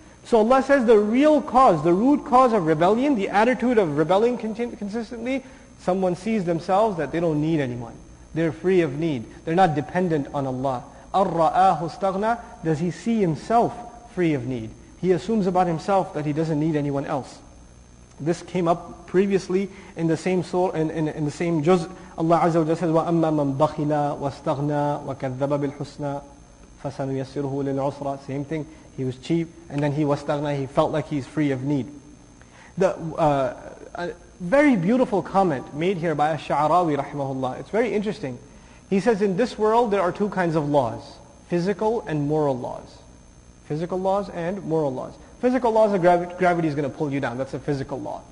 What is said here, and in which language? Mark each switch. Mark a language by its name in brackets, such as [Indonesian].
[English] So Allah says the real cause, the root cause of rebellion, the attitude of rebelling consistently, someone sees themselves that they don't need anyone. They're free of need. They're not dependent on Allah. [Arabic] أَرَّآهُ اسْتَغْنَى. [English] Does he see himself free of need? He assumes about himself that he doesn't need anyone else. This came up previously in the same surah, in the same juz. Allah Azza wa Jalla says, [Arabic] وَأَمَّا مَنْ بَخِلَ وَاسْتَغْنَى وَكَذَّبَ بِالْحُسْنَى فَسَنُيَسِّرُهُ لِلْعُسْرَى. [English] Same thing. He was cheap, and then he was stagna, he felt like he's free of need. A very beautiful comment made here by al-Sha'rawi rahimahullah. It's very interesting. He says, in this world there are two kinds of laws, physical and moral laws. Physical laws and moral laws. Physical laws are gravity is going to pull you down, that's a physical law.